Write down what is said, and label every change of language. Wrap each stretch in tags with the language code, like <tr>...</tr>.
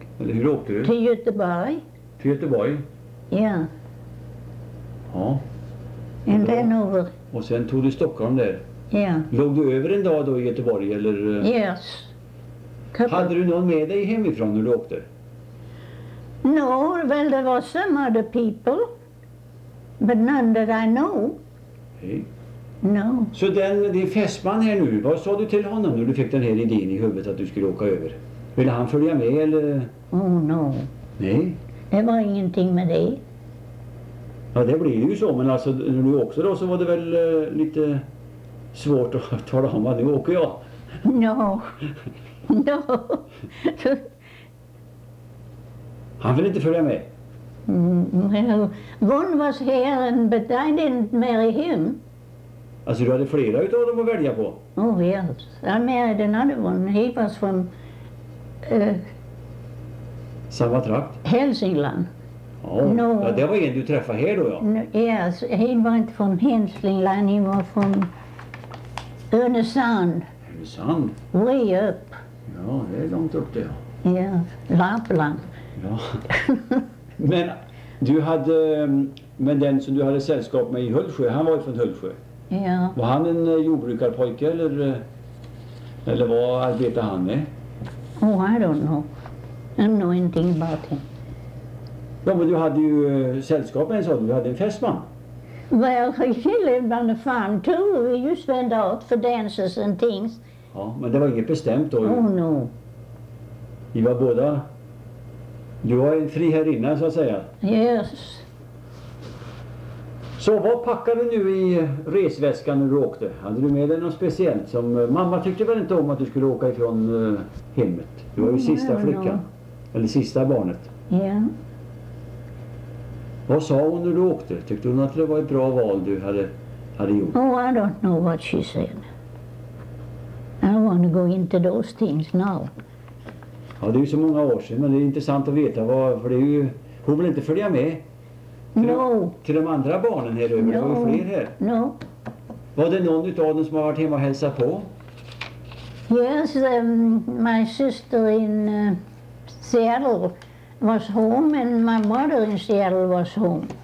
<sv>Eller hur åkte du? Till Göteborg. Till Göteborg? Ja. Ja.</sv> <en>And then over.</en> <sv>Och sen tog du Stockholm där? Ja. Yeah. Låg du över en dag då i Göteborg eller?</sv> <en>Yes. Couple.</en> <sv>Hade du någon med dig hemifrån när du åkte?</sv> <en>No, well there was some other people. But none that I know. Hey. No.</en> <sv>Så den, din fästman här nu, vad sa du till honom när du fick den här idén i huvudet att du skulle åka över? Ville han följa med eller?</sv> <en>Oh no.</en> <sv>Nej. Det var ingenting med det. Ja, det blir ju så, men alltså när du också då så var det väl lite svårt att tala om att nu åker jag.</sv> <en>No. No.</en> <sv>Han vill inte följa med.</sv> <en>Well, one was here and but I didn't marry him.</en> <sv>Alltså du hade flera utav dem att välja på?</sv> <en>Oh yes, I married another one. He was from...</en> <sv>Samma trakt? Hälsingland.</sv> <en>Oh, no.</en> <sv>Ja, det var en du träffade här då, ja.</sv> <en>No, yes, he was not from Hälsingland, he was from Önesand.</en> <sv>Önesand?</sv> <en>Way up.</en> <sv>Ja, det är långt upp det, ja.</sv> <en>Yes, Lapland.</en> <sv>Ja. Men du hade, men den som du hade sällskap med i Hultsjö, han var ju från Hultsjö. Ja. Var han en jordbrukarpojke eller, eller vad arbetade han med?</sv> <en>Oh, I don't know. I know anything about him.</en> <sv>Ja, men du hade ju sällskap med en sån, du hade en festman.</sv> <en>Well, he lived on the farm too. We just went out for dances and things.</en> <sv>Ja, men det var inget bestämt då.</sv> <en>Oh, no.</en> <sv>Vi var båda... Du var en fri herrinna, så att säga.</sv> <en>Yes.</en> <sv>Så vad packade du nu i resväskan när du åkte? Hade du med dig något speciellt som... Mamma tyckte väl inte om att du skulle åka ifrån hemmet? Du var ju sista flickan. No. Eller sista barnet. Ja. Yeah. Vad sa hon när du åkte? Tyckte hon att det var ett bra val du hade gjort?</sv> <en>Oh, I don't know what she said. I don't want to go into those things now.</en> <sv>Ja, det är ju så många år sedan, men det är intressant att veta vad, för det är ju... Hon vill inte följa med.</sv> <en>No.</en> <sv>Till de andra barnen här över, det var ju fler här.</sv> <en>No.</en> <sv>Var det någon utav dem som har varit hemma och hälsat på?</sv> <en>Yes, my sister in Seattle was home and my mother in Seattle was home.</en>